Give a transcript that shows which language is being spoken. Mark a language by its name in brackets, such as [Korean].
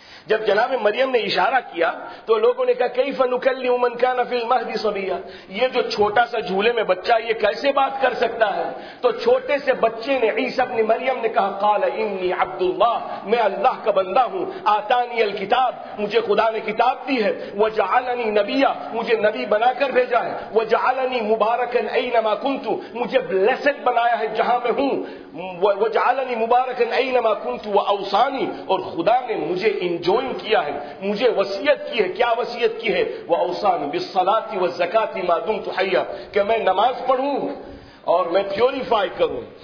[Urdu] جب جناب مریم نے اشارہ کیا تو لوگوں نے کہا [Arabic] کیف نکلم من کان فی المہد صبیا، [Urdu] یہ جو چھوٹا سا جھولے میں بچہ یہ کیسے بات کر سکتا ہے؟ تو چھوٹے سے بچے نے، عیسیٰ ابن مریم نے کہا [Arabic] قال انی عبد اللہ، [Urdu] میں اللہ کا بندہ ہوں. [Arabic] آتانی الکتاب، [Urdu] مجھے خدا نے کتاب دی ہے. [Arabic] وجعلنی نبیا، [Urdu] مجھے نبی بنا کر بھیجا ہے. [Arabic] وجعلنی مبارکاً اینما کنت، [Urdu] مجھے بلیسڈ بنایا ہے جہاں میں ہوں. [Arabic] وجعلنی مبارکاً اینما کنت واوصانی، [Urdu] اور خدا نے مجھے جوائن کیا ہے، مجھے وصیت کی ہے. کیا وصیت کی ہے؟ [Arabic] وَأَوْصَانِ بِالصَّلَاةِ وَالزَّكَاةِ مَا دُمْتُ حَيًّا، [Urdu] کہ میں نماز پڑھوں اور میں پیوریفائی کروں.